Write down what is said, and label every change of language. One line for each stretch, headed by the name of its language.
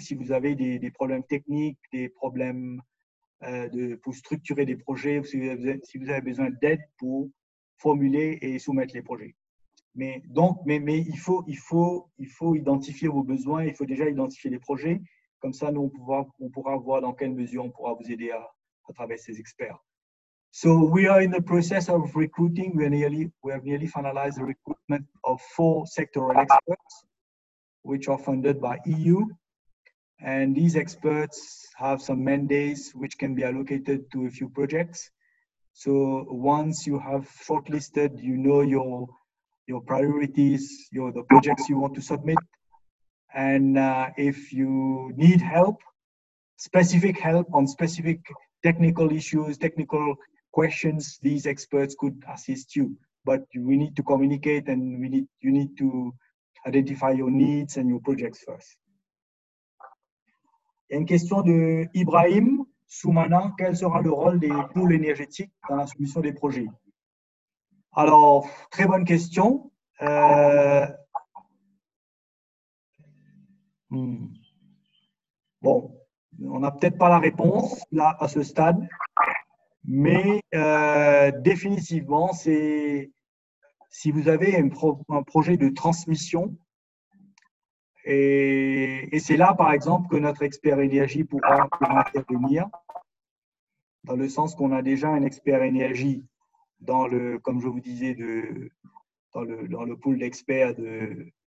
French: Si vous avez des problèmes techniques, des problèmes pour structurer des projets, ou si vous avez besoin d'aide pour formuler et soumettre les projets. Mais il faut identifier vos besoins, il faut déjà identifier les projets, comme ça nous on pourra voir dans quelle mesure on pourra vous aider à travers ces experts.
English: So we are in the process of recruiting. We have nearly finalized the recruitment of 4 sectoral experts, which are funded by EU. And these experts have some mandates which can be allocated to a few projects. So once you have shortlisted, you know your priorities, the projects you want to submit. And if you need help, specific help on specific technical issues, technical questions, these experts could assist you. But we need to communicate, and you need to identify your needs and your projects first.
French: Il y a une question de Ibrahim Soumana. Quel sera le rôle des pôles énergétiques dans la solution des projets? Alors, très bonne question. Bon, On n'a peut-être pas la réponse là à ce stade, mais définitivement, c'est si vous avez un projet de transmission, et c'est là, par exemple, que notre expert énergie pourra intervenir, dans le sens qu'on a déjà un expert énergie dans le, comme je vous disais, dans le pool d'experts de